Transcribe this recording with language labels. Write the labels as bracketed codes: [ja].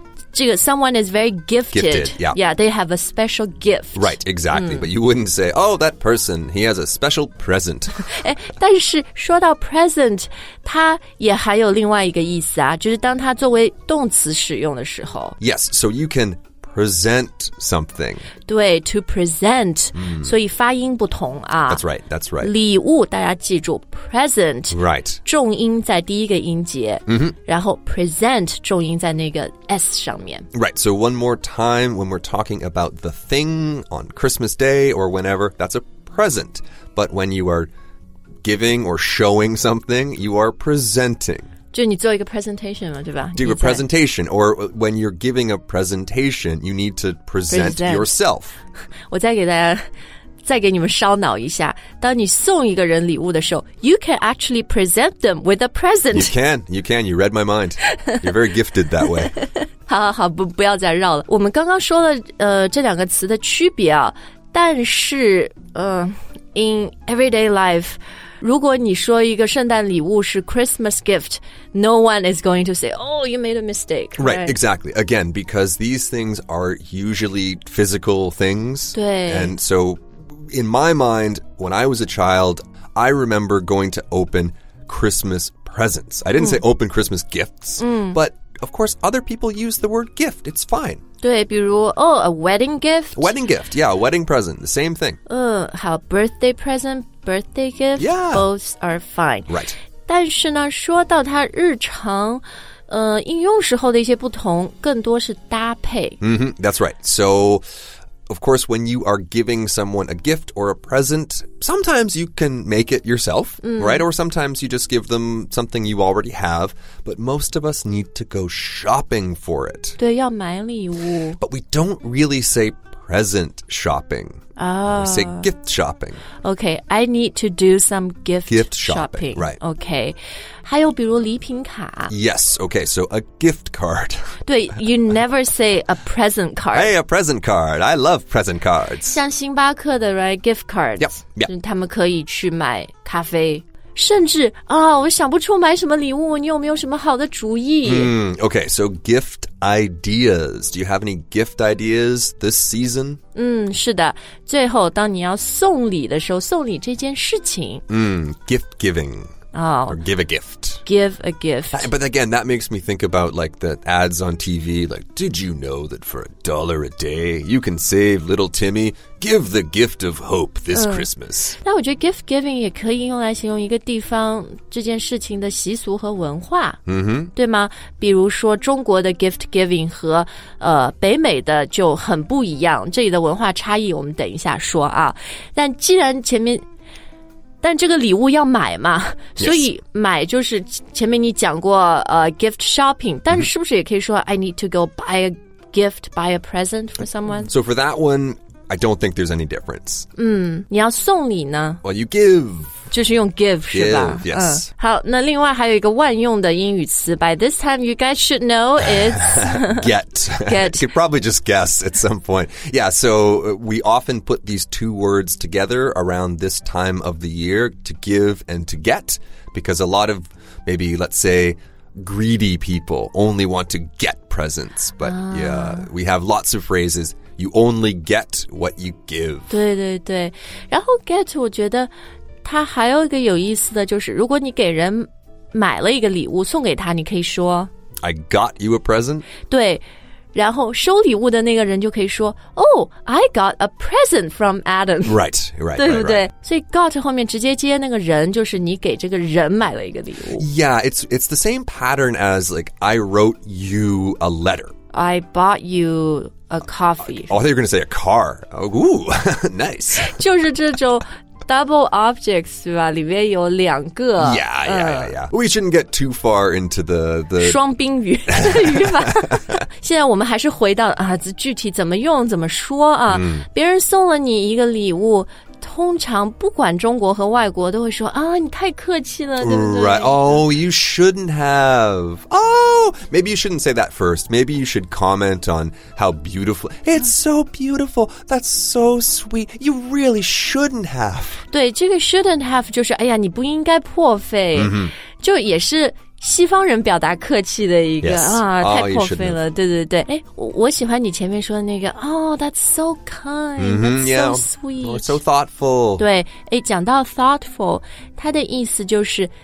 [en] 这个 someone is very gifted. Yeah, they have a special gift. Right, exactly.、Mm. But you wouldn't say, oh, that person, he has a special present. [zh] 但是说到 present, 它也还有另外一个意思啊，就是当它作为动词使用的时候。 [en] Yes, so you can present something. [zh] 对 [en] to present,、 [zh] mm. 所以发音不同啊。 [en] That's right. [zh] 礼物大家记住 present. [en] Right. [zh] 重音在第一个音节、 mm-hmm. 然后 present 重音在那个S 上面 [en] Right, so one more time, when we're talking about the thing on Christmas Day or whenever, that's a present. But when you are giving or showing something, you are presenting. [zh] 就你做一个 presentation 嘛，对吧？ [en] Do a presentation, or when you're giving a presentation, you need to present yourself. [zh] 我再给大家再给你们烧脑一下，当你送一个人礼物的时候 [en] you can actually present them with a present. You can, you read my mind. You're very gifted that way. [zh] 好不要再绕了。我们刚刚说了这两个词的区别啊，但是 [en] in everyday life, [zh] 如果你说一个圣诞礼物是 Christmas gift, [en] no one is going to say, oh, you made a mistake. Right, exactly. Again, because these things are usually physical things. [zh] 对。 [en] And so... In my mind, when I was a child, I remember going to open Christmas presents. I didn't say open Christmas gifts, but of course, other people use the word gift. It's fine. [zh] 对，比如， [en] a wedding gift. Wedding gift, yeah, a wedding present, the same thing. 好 birthday present, birthday gift, yeah. Both are fine. Right. [zh] 但是呢，说到它日常应用时候的一些不同，更多是搭配。 [en] Mm-hmm, that's right. So... Of course, when you are giving someone a gift or a present, sometimes you can make it yourself, right? Or sometimes you just give them something you already have. But most of us need to go shopping for it. [zh] 对，要买礼物。 [en] But we don't really say present shopping. Oh. We say gift shopping. Okay, I need to do some gift shopping. Right. [zh] Okay. 还有比如礼品卡。 [en] Yes, okay, so a gift card. 对, you never say a present card. Hey, a present card. I love present cards. [zh] 像星巴克的 [en] right, gift cards. Yep. [zh] 他们可以去买咖啡。甚至，我想不出买什么礼物，你有没有什么好的主意？ [en] Okay, so gift ideas. Do you have any gift ideas this season? [zh] 是的。最后，当你要送礼的时候，送礼这件事情。 [en] Gift giving. Oh. Or give a gift. Give a gift. But again, that makes me think about like the ads on TV. Like, did you know that for a dollar a day, you can save little Timmy? Give the gift of hope this Christmas. [zh] 那我觉得 gift giving 也可以用来形容一个地方这件事情的习俗和文化。嗯哼。对吗？比如说中国的 gift giving 和北美的就很不一样。这里的文化差异我们等一下说啊。但既然前面但这个礼物要买嘛、 [en] yes. [zh] 所以买就是前面你讲过 [en] gift shopping [zh] 但是是不是也可以说、 [en] mm-hmm. I need to go buy a gift, buy a present for someone? So for that one, I don't think there's any difference. [zh] 嗯，你要送礼呢 [en] Well, you give. [zh] 就是用 give, [en] give [zh] 是吧 [en] yes.、 [zh] 好，那另外还有一个万用的英语词 [en] By this time, you guys should know it's get. get. You could probably just guess at some point. Yeah, so we often put these two words together around this time of the year, to give and to get, because a lot of maybe, let's say, greedy people only want to get presents. But、yeah, we have lots of phrases. You only get what you give. [zh] 对对对，然后 get 我觉得它还有一个有意思的就是，如果你给人买了一个礼物送给他，你可以说 [en] I got you a present. [zh] 对，然后收礼物的那个人就可以说 [en] Oh, I got a present from Adam. Right, right. [zh] 对不对？ [en] Right, right. [zh] 所以 got 后面直接接那个人，就是你给这个人买了一个礼物。 [en] Yeah, it's the same pattern as like I wrote you a letter. I bought you. A coffee. Oh, I thought you were going to say a car. Oh, ooh, nice. [zh] 就是这种 double objects, 对吧？里面有两个。 [en] Yeah, yeah, yeah, yeah. We shouldn't get too far into the [zh] 双宾语语法。现在我们还是回到啊，具体怎么用、怎么说啊。 Mm. 别人送了你一个礼物，通常不管中国和外国都会说啊，你太客气了，对不对 [en] ？Right. Oh, you shouldn't have. Maybe you shouldn't say that first. Maybe you should comment on how beautiful. It's so beautiful. That's so sweet. You really shouldn't have. [zh] 对，这个 shouldn't have 就是哎呀，你不应该破费。 Mm-hmm. 就也是西方人表达客气的一个、 [en] yes. [zh] 啊，太破费了。对对对，哎，我喜欢你前面说的那个。 [en] Oh, that's so kind. Mm-hmm, yeah. so sweet. Oh, so thoughtful. [zh] 对，哎，讲到 thoughtful， 它的意思就是。